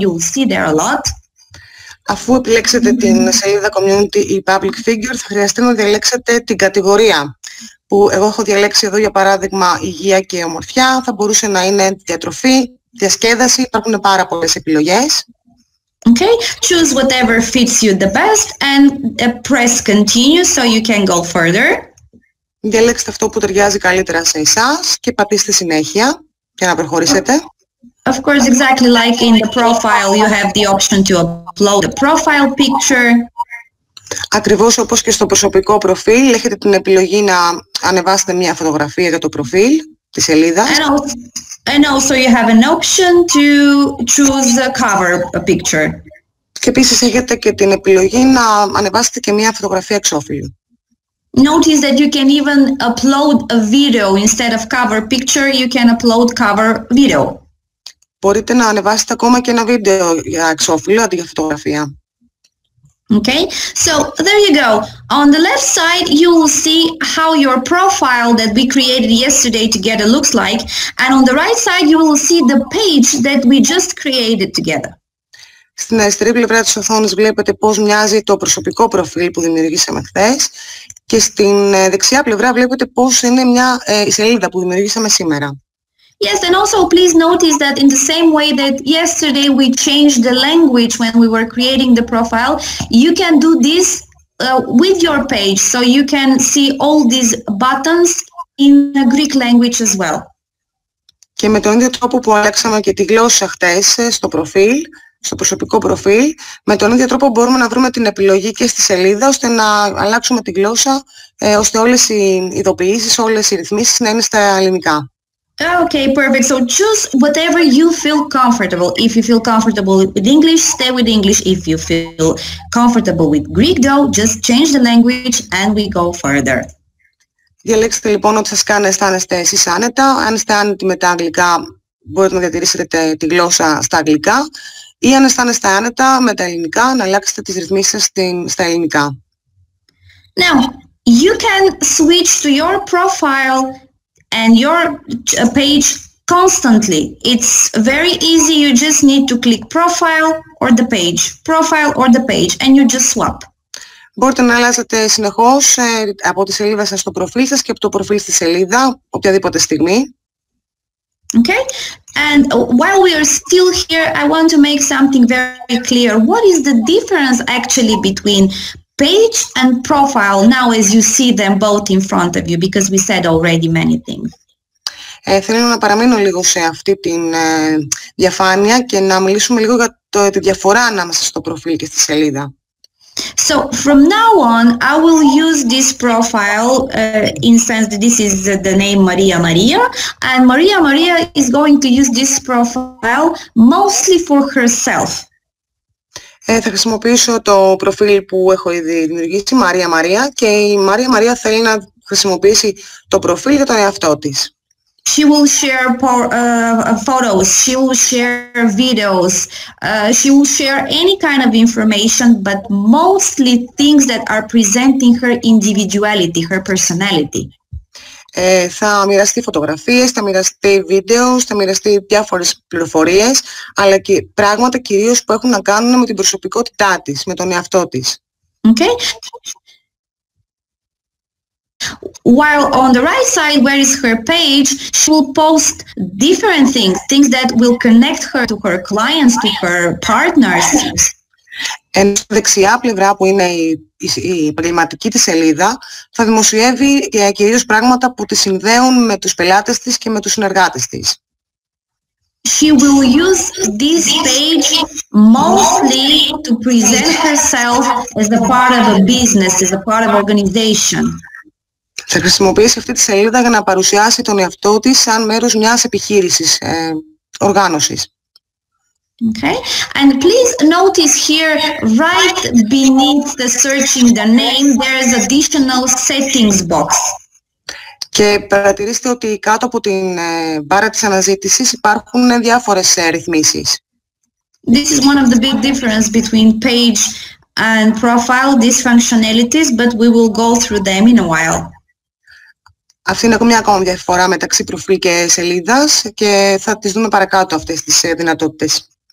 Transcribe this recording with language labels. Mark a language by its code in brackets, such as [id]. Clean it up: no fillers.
[en] You will see there a lot. [el] Αφού επιλέξετε την σελίδα community ή public figure, θα χρειαστεί να διαλέξετε την κατηγορία. Που εγώ έχω διαλέξει εδώ, για παράδειγμα, υγεία και ομορφιά. Θα μπορούσε να είναι διατροφή, διασκέδαση. Υπάρχουν πάρα πολλές επιλογές. [en] Okay, choose whatever fits you the best and press continue so you can go further. [el] Διαλέξτε αυτό που ταιριάζει καλύτερα σε εσάς και πατήστε συνέχεια για να προχωρήσετε. [en] Of course, exactly like in the profile, you have the option to upload the profile picture. [el] Ακριβώς όπως και στο προσωπικό προφίλ, έχετε την επιλογή να ανεβάσετε μια φωτογραφία για το προφίλ της σελίδας. [en] And also you have an option to choose a cover picture. [el] Και επίσης έχετε και την επιλογή να ανεβάσετε και μια φωτογραφία εξώφυλλου. [en] Notice that you can even upload a video instead of cover picture, you can upload cover video. [el] Μπορείτε να ανεβάσετε ακόμα και ένα βίντεο για εξώφυλλο αντί για φωτογραφία. [en] Okay, so there you go. On the left side, you will see how your profile that we created yesterday together looks like. And on the right side, you will see the page that we just created together. [el] Στην αριστερή πλευρά της οθόνης βλέπετε πώς μοιάζει το προσωπικό προφίλ που δημιουργήσαμε χθες. Και στην δεξιά πλευρά βλέπετε πώς είναι μια σελίδα που δημιουργήσαμε σήμερα. [en] Yes, and also please notice that in the same way that yesterday we changed the language when we were creating the profile, you can do this with your page, so you can see all these buttons in the Greek language as well. [el] Και με τον ίδιο τρόπο που αλλάξαμε και τη γλώσσα χτες στο προφίλ, στο προσωπικό προφίλ, με τον ίδιο τρόπο μπορούμε να βρούμε την επιλογή και στη σελίδα, ώστε να αλλάξουμε τη γλώσσα, ώστε όλες οι ειδοποιήσεις, όλες οι ρυθμίσεις να είναι στα ελληνικά. [en] Okay, perfect. So choose whatever you feel comfortable. If you feel comfortable with English, stay with English. If you feel comfortable with Greek, though, just change the language and we go further. [el] Διαλέξτε λοιπόν ό,τι σας κάνει αισθάνεστε εσείς άνετα. Αν είστε άνετοι με τα αγγλικά, μπορείτε να διατηρήσετε τη γλώσσα στα αγγλικά. Ή αν αισθάνεστε άνετα με τα ελληνικά, να αλλάξετε τις ρυθμίσεις σας στα ελληνικά. [en] Now, you can switch to your profile and your page constantly. It's very easy, you just need to click profile or the page, profile or the page, and you just swap. [el] Μπορείτε να αλλάζετε συνεχώς από τη σελίδα σας στο προφίλ σας και από το προφίλ στη σελίδα, οποιαδήποτε στιγμή. [en] Okay, and while we are still here, I want to make something very clear. What is the difference actually between page and profile, now as you see them both in front of you, because we said already many things. [el] Θέλω να παραμείνω λίγο σε αυτή την διαφάνεια και να μιλήσουμε λίγο για τη διαφορά ανάμεσα στο προφίλ και στη σελίδα. [en] So, from now on, I will use this profile, in sense that this is the name Maria Maria, and Maria Maria is going to use this profile mostly for herself. [el] Θα χρησιμοποιήσω το προφίλ που έχω ήδη δημιουργήσει, Μαρία Μαρία, και η Μαρία Μαρία θέλει να χρησιμοποιήσει το προφίλ για τον εαυτό της. [en] She will share photos, she will share videos, she will share any kind of information, but mostly things that are presenting her individuality, her personality. [el] Θα μοιραστεί φωτογραφίες, θα μοιραστεί βίντεο, θα μοιραστεί διάφορες πληροφορίες, αλλά και πράγματα κυρίως που έχουν να κάνουν με την προσωπικότητά της, με τον εαυτό της. [en] Okay. While on the right side, where is her page, she will post different things, things that will connect her to her clients, to her partners. [el] Ενώ στη δεξιά πλευρά που είναι η επαγγελματική της σελίδα θα δημοσιεύει κυρίως πράγματα που τη συνδέουν με τους πελάτες της και με τους συνεργάτες της. [en] She will use this page mostly to present herself as a part of a business, as a part of an organization. [el] Θα χρησιμοποιήσει αυτή τη σελίδα για να παρουσιάσει τον εαυτό της σαν μέρος μιας επιχείρησης, οργάνωσης. [en] Okay, and please notice here, right beneath the searching the name, there is additional settings box. [el] Και παρατηρήστε ότι κάτω από την μπάρα της αναζήτησης υπάρχουν διάφορες ρυθμίσεις. [en] This is one of the big differences between page and profile, these functionalities, but we will go through them in a while. [el] Αυτή είναι ακόμη μια ακόμα διαφορά μεταξύ προφίλ και σελίδας και θα τις δούμε παρακάτω αυτές τις δυνατότητες.